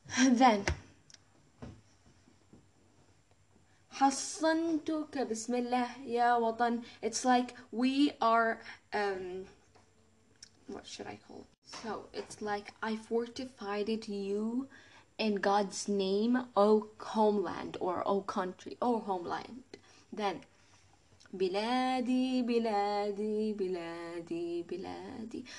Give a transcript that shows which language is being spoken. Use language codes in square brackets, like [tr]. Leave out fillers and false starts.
[ar] Then حصنتك بسم الله يا وطن. [en] It's like we are what should I call it? So it's like I fortified you in God's name, O homeland, or O country, O homeland. [ar] Then بلادي بلادي بلادي بلادي.